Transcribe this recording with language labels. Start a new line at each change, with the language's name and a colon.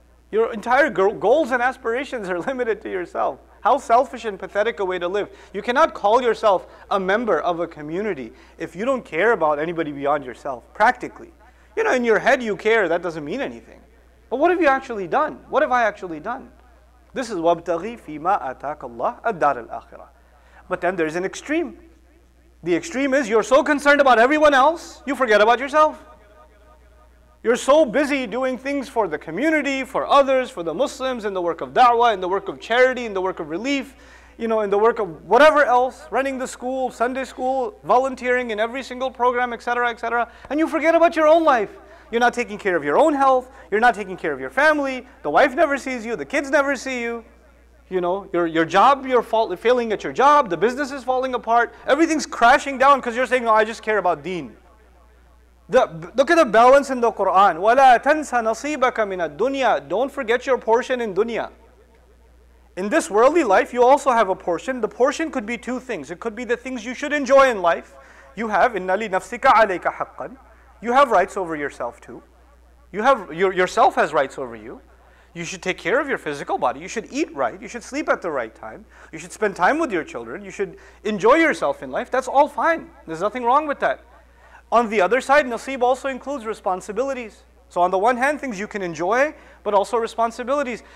English: Your entire goals and aspirations are limited to yourself. How selfish and pathetic a way to live. You cannot call yourself a member of a community if you don't care about anybody beyond yourself, practically. You know, in your head you care, that doesn't mean anything. But what have you actually done? What have I actually done? This is
Arabic: وَابْتَغِي فِي مَا أَتَاكَ اللَّهِ الدَّارَ الْآخِرَةِ.
English: But then there's an extreme. The extreme is you're so concerned about everyone else, you forget about yourself. You're so busy doing things for the community, for others, for the Muslims, in the work of da'wah, in the work of charity, in the work of relief, you know, in the work of whatever else, running the school, Sunday school, volunteering in every single program, etc., etc., and you forget about your own life. You're not taking care of your own health, you're not taking care of your family, the wife never sees you, the kids never see you, you know, your job, you're failing at your job, the business is falling apart, everything's crashing down because you're saying, no, I just care about deen. Look at the balance in the Quran.
Arabic: وَلَا تَنْسَ نَصِيبَكَ مِنَ الدُّنْيَا.
English: Don't forget your portion in dunya. In this worldly life, you also have a portion. The portion could be two things. It could be the things you should enjoy in life. You have,
Arabic: إِنَّ لِنَفْسِكَ عَلَيْكَ حَقًّا.
English: You have rights over yourself too. You have, yourself has rights over you. You should take care of your physical body. You should eat right. You should sleep at the right time. You should spend time with your children. You should enjoy yourself in life. That's all fine. There's nothing wrong with that. On the other side, nasib also includes responsibilities. So on the one hand, things you can enjoy, but also responsibilities.